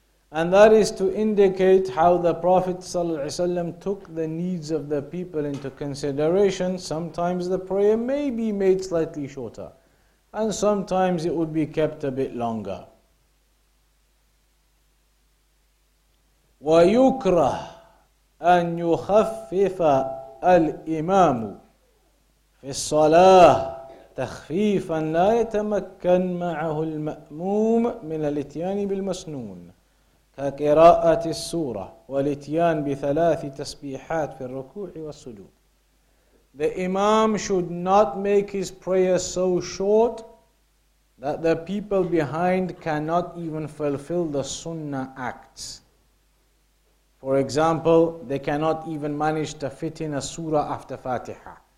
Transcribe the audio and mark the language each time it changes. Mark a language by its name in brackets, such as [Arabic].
[English] And that is to indicate how the Prophet ﷺ took the needs of the people into consideration. Sometimes the prayer may be made slightly shorter, and sometimes it would be kept a bit longer. [Arabic] ويكره أن يخفف الإمام في الصلاة تخفيفا لا يتمكن معه المأموم من الاتيان بالمسنون كقراءة السورة والاتيان بثلاث تسبيحات في الركوع والسجود. [English] The Imam should not make his prayer so short that the people behind cannot even fulfill the sunnah acts. For example, they cannot even manage to fit in a surah after Fatiha.